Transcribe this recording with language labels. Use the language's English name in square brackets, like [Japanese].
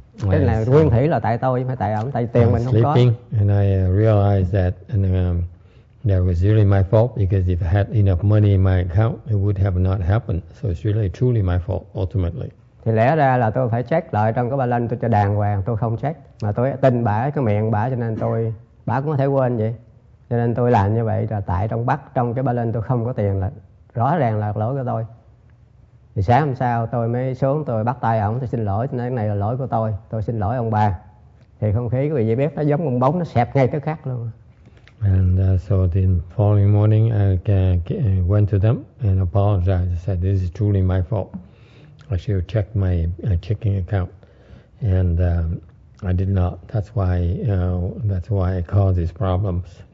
[Vietnamese] Cái này nguyên thủy là tại tôi, không phải tại ổng, tại tiền mình không có. [English] Sleeping, and I realized that, and that was really my fault, because if I had enough money in my account, it would have not happened. So it's really truly my fault, ultimately. [Vietnamese] Thì lẽ ra là tôi phải check lại trong cái balance tôi cho đàng hoàng, tôi không check. Mà tôi tin bả, cái miệng bả, cho nên tôi, bả cũng có thể quên vậy. Cho nên tôi làm như vậy là tại trong cái balance tôi không có tiền, là rõ ràng là lỗi của tôi. Thì sáng hôm sau tôi mới xuống, tôi bắt tay ổng, tôi xin lỗi, tôi nói cái này là lỗi của tôi xin lỗi ông bà. Thì không khí của vị bếp nó giống con bóng, nó xẹp ngay tức khắc luôn. [English] And so the following morning, I went to them and apologized. I said, this is truly my fault. I should have checked my checking account. And I did not. That's why I caused these problems.